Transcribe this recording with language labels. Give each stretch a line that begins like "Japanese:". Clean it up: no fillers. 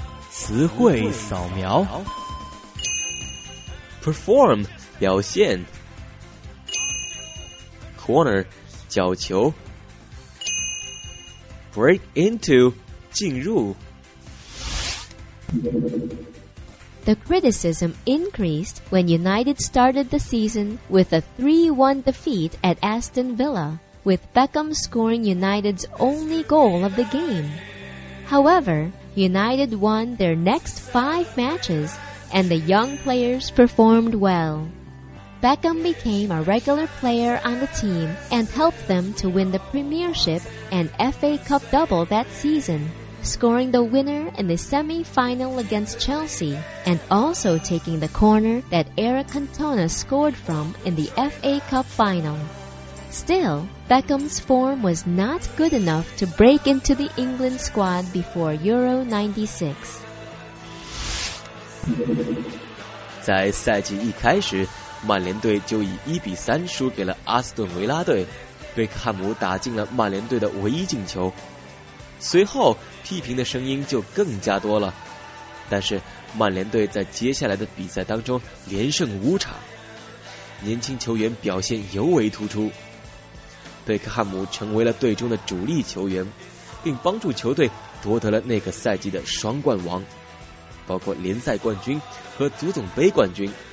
Chinese: 词汇扫描 Perform 表现 Corner 角球 Break into 进入
English: The criticism increased when United started the season with a 3-1 defeat at Aston Villa with Beckham scoring United's only goal of the game. However,United won their next 5 matches, and the young players performed well. Beckham became a regular player on the team and helped them to win the Premiership and FA Cup double that season, scoring the winner in the semi-final against Chelsea, and also taking the corner that Eric Cantona scored from in the FA Cup final. Still, Beckham's form was not good enough to break into the England squad before Euro 96.
Chinese: 在赛季一开始，曼联队就以1-3输给了阿斯顿维拉队，贝克汉姆打进了曼联队的唯一进球。随后批评的声音就更加多了，但是曼联队在接下来的比赛当中连胜5场，年轻球员表现尤为突出，贝克汉姆成为了队中的主力球员，并帮助球队夺得了那个赛季的双冠王，包括联赛冠军和足总杯冠军。